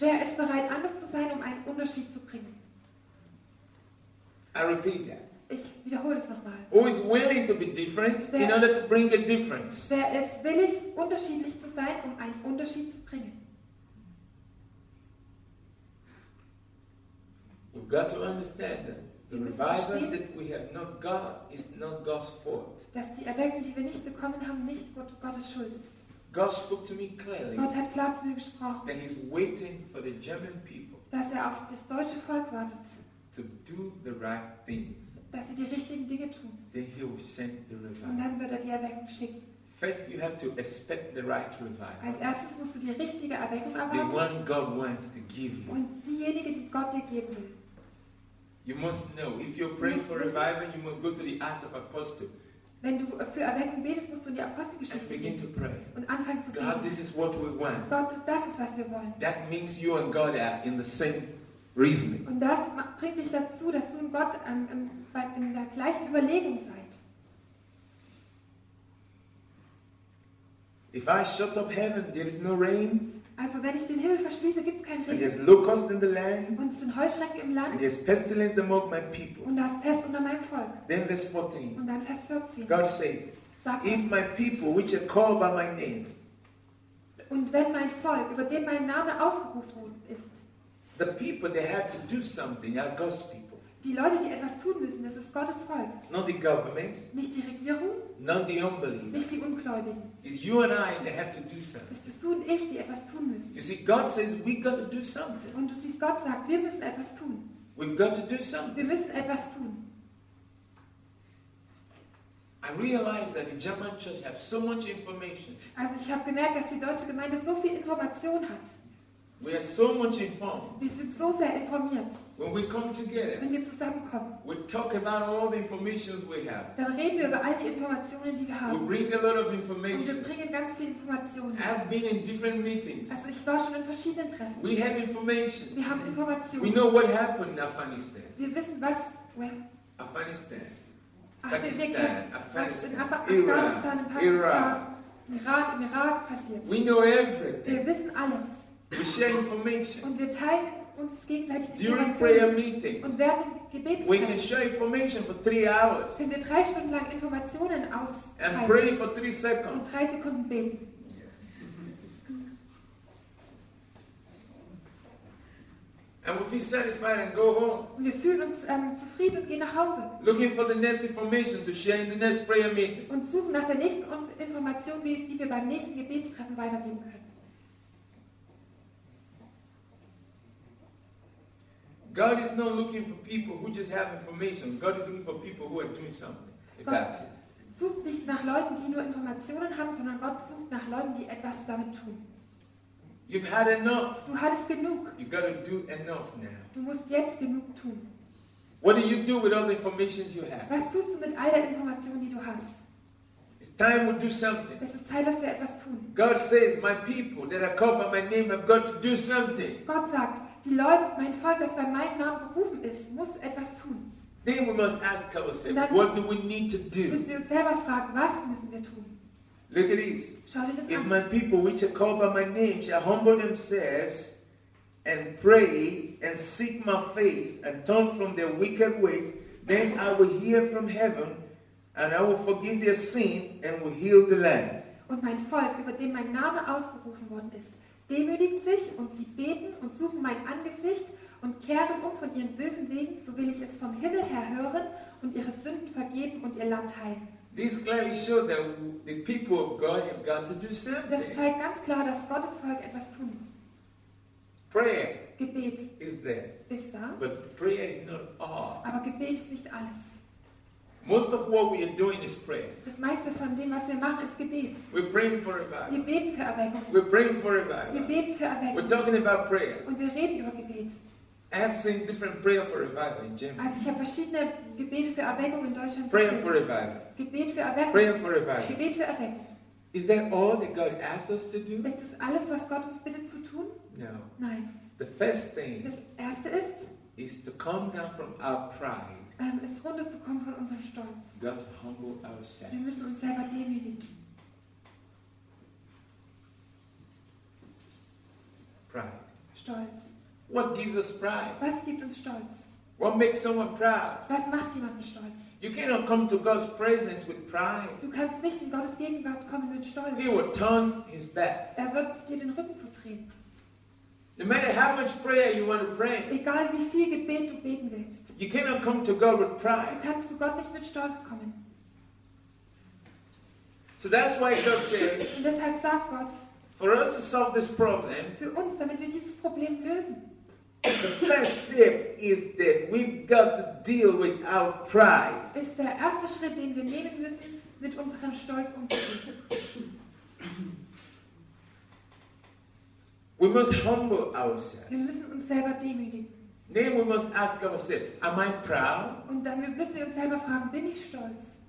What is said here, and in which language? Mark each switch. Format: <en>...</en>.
<de>Wer ist bereit, anders zu sein, um einen Unterschied zu bringen?</de> <en>I repeat that.</en> <de>Ich wiederhole es nochmal.</de> <en>Who is willing to be different in order to bring a difference?</en> <de>Wer ist willig, unterschiedlich zu sein, um einen Unterschied zu bringen?</de> <en>We've got to understand that the revival that we have not got is not God's fault.</en> <de>Dass die Erweckung, die wir nicht bekommen haben, nicht Gottes Schuld ist.</de> <en>God spoke to me clearly.</en> <de>Gott hat klar zu mir gesprochen.</de> <en>That he's waiting for the German people.</en> <de>Dass er auf das deutsche Volk wartet.</de> <en>To do the right things.</en> <de>Dass sie die richtigen Dinge tun.</de> <en>Then he will send the revival.</en> <de>Und dann wird er die Erweckung schicken.</de> <en>First, you have to expect the right revival.</en> <de>Als erstes musst du die richtige Erweckung erwarten.</de> <en>The one God wants to give you.</en> <de>Und diejenige, die Gott dir geben will.</de> <en>You must know. If you're praying for revival, you must go to the Acts of Apostles.</en> <de>Wenn du für Erweckung betest, musst du in die Apostelgeschichte gehen und anfangen zu beten.</de> <en>God, this is what we want.</en> <de>Gott, das ist, was wir wollen.</de> <en>That means you and God are in the same reasoning.</en> <de>Und das bringt dich dazu, dass du und Gott in der gleichen Überlegung seid.</de> <en>If I shut up heaven, there is no rain.</en> <de>Also wenn ich den Himmel verschließe, gibt es keinen Regen.</de> <en>And there's locust in the land.</en> <de>Und es sind Heuschrecken im Land.</de> <en>And there's pestilence among my people.</en> <de>Und da ist Pest unter meinem Volk.</de> <en>Then verse 14.</en> <de>Und dann Vers 14.</de> <en>God says,</en> <de>sagt,</de> <en>if my people, which are called by my name,</en> <de>und wenn mein Volk, über dem mein Name ausgerufen worden ist,</de> <en>the people they have to do something are God's people.</en> <de>Die Leute, die etwas tun müssen, das ist Gottes Volk.</de> <en>Not the government.</en> <de>Nicht die Regierung.</de> <en>Not the unbelievers.</en> <de>Nicht die Ungläubigen.</de> <en>It's you and I that have to do something.</en> <de>Es bist du und ich, die etwas tun müssen.</de> <en>You see, God says we got to do something.</en> <de>Und du siehst, Gott sagt, wir müssen etwas tun.</de> <en>We've got to do something.</en> <de>Wir müssen etwas tun.</de> <en>I realize that the German church has so much information.</en> <de>Also ich habe gemerkt, dass die deutsche Gemeinde so viel Information hat.</de> <en>We are so much informed.</en> <de>Wir sind so sehr informiert.</de> <en>When we come together,</en> <de>wenn wir zusammenkommen,</de> <en>we talk about all the information we have.</en> <de>Dann reden wir über all die Informationen, die wir haben.</de> <en>We bring a lot of information.</en> <de>Und wir bringen ganz viel Informationen.</de> <en>I've been in different meetings.</en> <de>Also ich war schon in verschiedenen Treffen.</de> <en>We have information.</en> <de>Wir haben Informationen.</de> <en>We know what happened in Afghanistan.</en> <de>Wir wissen, was Afghanistan. Pakistan, Afghanistan, Irak, Iran, passiert.</de> <en>We know everything.</en> <de>Wir wissen alles.</de> <en>We share information.</en> <de>Und wir teilen uns gegenseitig die</de> <en>during prayer meetings.</en> <de>Und während dem Gebet.</de> <en>We can share information for 3 hours.</en> <de>Können wir 3 Stunden lang Informationen austeilen.</de> <en>And pray for 3 seconds.</en> <de>Und 3 Sekunden beten.</de> <en>And we feel satisfied and go home.</en> <de>Und wir fühlen uns zufrieden und gehen nach Hause.</de> <en>Looking for the next information to share in the next prayer meeting.</en> <de>Und suchen nach der nächsten Information, die wir beim nächsten Gebetstreffen weitergeben können.</de> <en>God is not looking for people who just have information. God is looking for people who are doing something about it.</en> <de>Gott sucht nicht nach Leuten, die nur Informationen haben, sondern Gott sucht nach Leuten, die etwas damit tun.</de> <en>You've had enough.</en> <de>Du hattest genug.</de> <en>You've got to do enough now.</en> <de>Du musst jetzt genug tun.</de> <en>What do you do with all the information you have?</en> <de>Was tust du mit all der Information, die du hast?</de> <en>It's time we do something.</en> <de>Es ist Zeit, dass wir etwas tun.</de> <en>God says, my people that are called by my name have got to do something.</en> <de>Gott sagt, die Leute, mein Volk, das bei meinem Namen berufen ist, muss etwas tun.</de> <en>Then we must ask ourselves, what do we need to do?</en> <de>Müssen wir uns selber fragen, was müssen wir tun?</de> <en>Look at this.</en> <de>Schau dir das</de> <en>if</en> <de>an.</de> <en>My people, which are called by my name, shall humble themselves and pray and seek my face and turn from their wicked ways, then I will hear from heaven and I will forgive their sin and will heal the land.</en> <de>Und mein Volk, über dem mein Name ausgerufen worden ist, demütigt sich und sie beten und suchen mein Angesicht und kehren um von ihren bösen Wegen, so will ich es vom Himmel her hören und ihre Sünden vergeben und ihr Land heilen.</de> <en>This clearly shows that the people of God have got to do something.</en> <de>Das zeigt ganz klar, dass Gottes Volk etwas tun muss.</de> <en>Prayer</en> <de>Gebet</de> <en>is there.</en> <de>Ist da.</de> <en>But prayer is not all.</en> <de>Aber Gebet ist nicht alles.</de> <en>Most of what we are doing is prayer.</en> <de>Das meiste von dem, was wir machen, ist Gebet.</de> <en>We're praying for revival.</en> <de>Wir beten für Erweckung.</de> <en>We're praying for revival.</en> <de>Wir beten für Erweckung.</de> <en>We're talking about prayer.</en> <de>Und wir reden über Gebet.</de> <en>I have seen different prayer for revival in Germany.</en> <de>Also ich habe verschiedene Gebete für Erweckung in Deutschland.</de> <en>Prayer for revival.</en> <de>Gebet für Erweckung.</de> <en>Prayer for revival.</en> <de>Gebet für Erweckung.</de> <en>Is that all that God asks us to do?</en> <de>Ist das alles, was Gott uns bittet zu tun?</de> <en>No.</en> <de>Nein.</de> <en>The first thing.</en> <de>Das erste ist.</de> <en>Is to come down from our pride.</en> <de>Es runterzukommen von unserem Stolz.</de> <en>God humble ourselves.</en> <de>Wir müssen uns selber demütigen.</de> <en>Pride.</en> <de>Stolz.</de> <en>What gives us pride?</en> <de>Was gibt uns Stolz?</de> <en>What makes someone proud?</en> <de>Was macht jemanden stolz?</de> <en>You cannot come to God's presence with pride.</en> <de>Du kannst nicht in Gottes Gegenwart kommen mit Stolz.</de> <en>He would turn his back.</en> <de>Er wird dir den Rücken zudrehen.</de> <en>No matter how much prayer you want to pray.</en> <de>Egal wie viel Gebet du beten willst.</de> <en>You cannot come to God with pride.</en> <de>Du kannst zu Gott nicht mit Stolz kommen.</de> <en>So that's why God says.</en> <de>Und deshalb sagt Gott.</de> <en>For us to solve this problem.</en> <de>Für uns, damit wir dieses Problem lösen.</de> <en>The first step is that we've got to deal with our pride.</en> <de>Ist der erste Schritt, den wir nehmen müssen, mit unserem Stolz umzugehen.</de> <en>We must humble ourselves.</en> <de>Wir müssen uns selber demütigen.</de> <en>Then we must ask ourselves, am I proud?</en> <de>Und dann müssen wir uns selber fragen, bin ich stolz?</de>